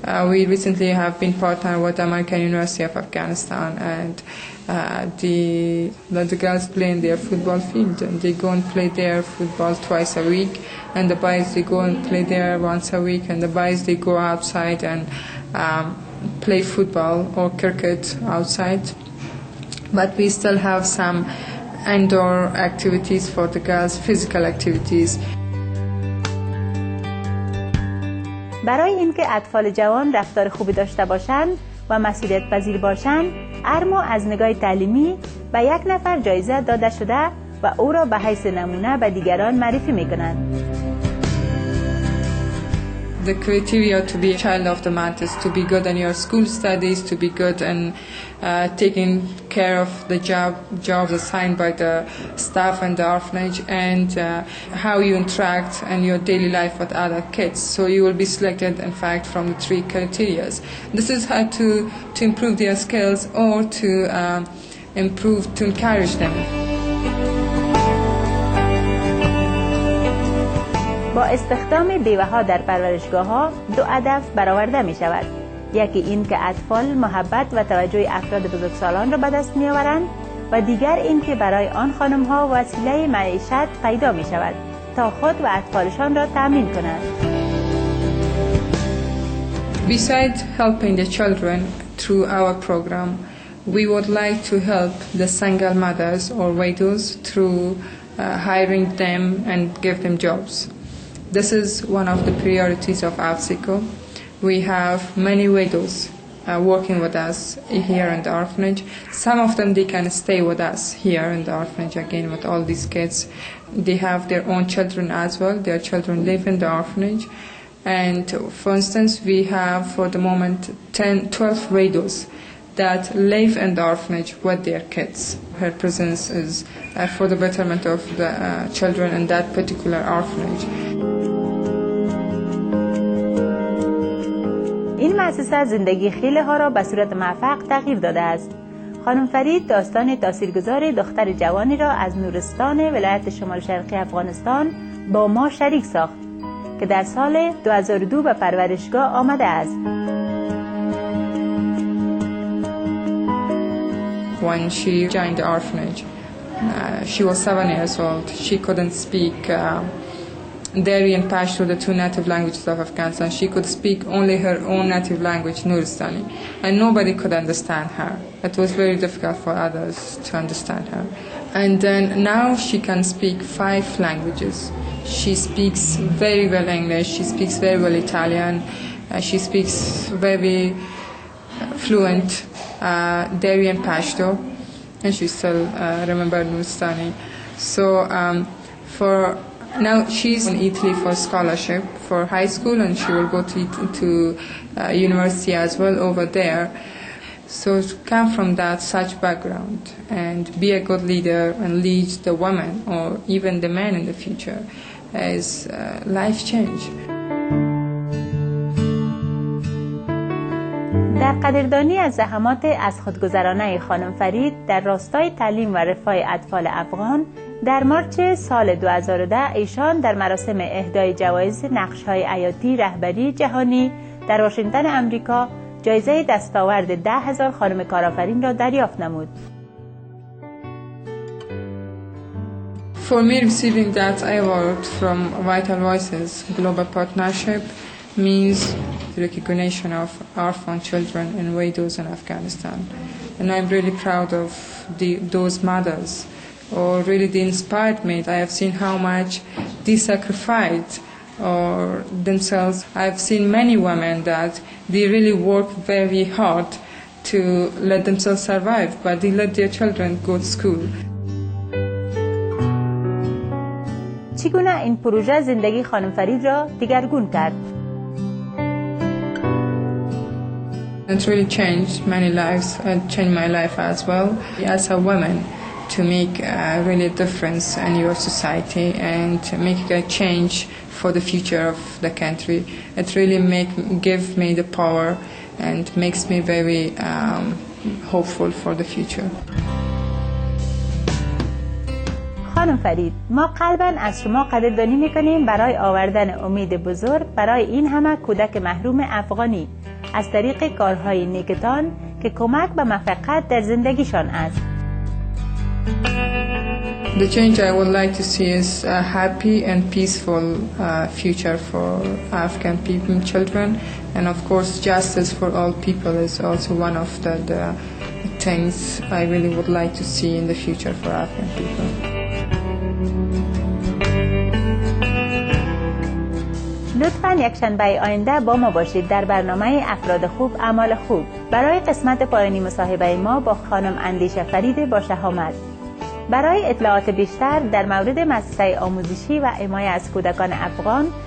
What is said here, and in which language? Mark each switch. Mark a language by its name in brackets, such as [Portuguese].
[English] We recently have been partnered with American University of Afghanistan, and the girls play in their football field, and they go and play their football twice a week, and the boys they go and play there once a week, and the boys they go outside and play football or cricket outside. But we still have some indoor activities for the girls, physical activities. [Persian] برای اینکه اطفال جوان رفتار خوبی داشته باشند و مسئولیت پذیر باشند، ارمو از نگاه تعلیمی به یک نفر جایزه داده شده و او را به حیث نمونه به دیگران معرفی می کنند. [English] the criteria to be a child of the mat is to be good in your school studies, to be good in taking care of the jobs assigned by the staff and the orphanage, and how you interact in your daily life with other kids. So you will be selected, in fact, from the three criteria. This is how to improve their skills or to encourage them. [Persian] با استخدام بیوه ها در پرورشگاه ها دو هدف برآورده می شود. یکی این که اطفال محبت و توجه افراد بزرگسالان را به دست می آورند و دیگر این که برای آن خانم ها وسیله معیشت پیدا می شود تا خود و اطفالشان را تامین کنند. [English] Besides helping the children through our program, we would like to help the single mothers or widows through hiring them and give them jobs. This is one of the priorities of AFSICO. We have many widows working with us here in the orphanage. Some of them, they can stay with us here in the orphanage again with all these kids. They have their own children as well. Their children live in the orphanage. And for instance, we have for the moment 12 widows that live in the orphanage with their kids. Her presence is for the betterment of the children in that particular orphanage. [Persian] این مؤسسه زندگی خیلی ها را به صورت موفق تغییر داده است. خانم فرید داستان تاثیرگذار دختر جوانی را از نورستان ولایت شمال شرقی افغانستان با ما شریک ساخت که در سال 2002 به پرورشگاه آمده است. [English] When she joined the orphanage, she was 7 years old. She couldn't speak Dari and Pashto, the two native languages of Afghanistan. She could speak only her own native language, Nuristani, and nobody could understand her. It was very difficult for others to understand her. And then now she can speak 5 languages. She speaks very well English, she speaks very well Italian, she speaks very fluent Dari and Pashto, and she still remembers Nuristani. So for now she's in Italy for scholarship for high school, and she will go to university as well over there. So come from that such background and be a good leader and lead the woman or even the man in the future is life change. [Persian] در قدردانی از زحمات از خودگذرانه خانم فرید در راستای تعلیم و رفاه اطفال افغان، در مارچ سال 2010 ایشان در مراسم اهدای جوایز نقش‌های عیادی رهبری جهانی در واشنگتن آمریکا جایزه دستاورد 10,000 خانم کارآفرین را دریافت نمود. [English] For me receiving that award from Vital Voices Global Partnership means the recognition of orphan children and widows in Afghanistan. And I'm really proud of those mothers. Or really they inspired me. I have seen how much they sacrificed or themselves. I've seen many women that they really work very hard to let themselves survive, but they let their children go to school. [Persian] چگونه این پروژه زندگی خانم فرید را دیگرگون کرد؟ [English] It really changed many lives and changed my life as well. As a woman, to make really a difference in your society and to make a change for the future of the country. It really give me the power and makes me very hopeful for the future. [Persian] خانم فرید، ما قلباً از شما قدردانی میکنیم برای آوردن امید بزرگ برای این همه کودک محروم افغانی از طریق کارهای نیکتان که کمک به موفقیت در زندگیشان است. [English] The change I would like to see is a happy and peaceful future for Afghan people and children, and of course justice for all people is also one of the things I really would like to see in the future for Afghan people. [Persian] لطفاً یک شنبه آینده با ما باشید در برنامه افراد خوب اعمال خوب برای قسمت پایانی مصاحبه ما با خانم اندیشه فرید با شهامت. برای اطلاعات بیشتر در مورد مؤسسه آموزشی و حمایت از کودکان افغان